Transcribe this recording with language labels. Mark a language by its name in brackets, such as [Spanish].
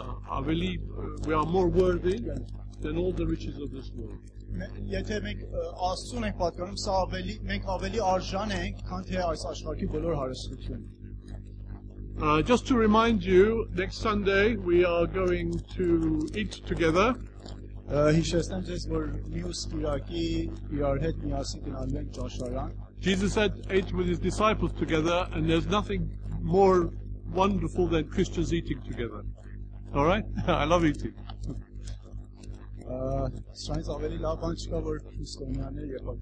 [English] I believe we are more worthy than all the riches of this world. [Armenian] Եթե մենք Աստծուն ենք պատկանում, սա ավելի մենք ավելի արժան ենք, քան թե այս աշխարհի բոլոր հարստությունը. [English] Just to remind you, next Sunday we are going to eat together. [Armenian] Հիշեցնեմ ձեզ, որ մյուս կիրակի իրար հետ միասին գնալու ենք ճաշարան. [English] Jesus had ate with his disciples together, and there's nothing more wonderful than Christians eating together. All right? I love eating. Strains are very loud, but you cover Christian Yanay.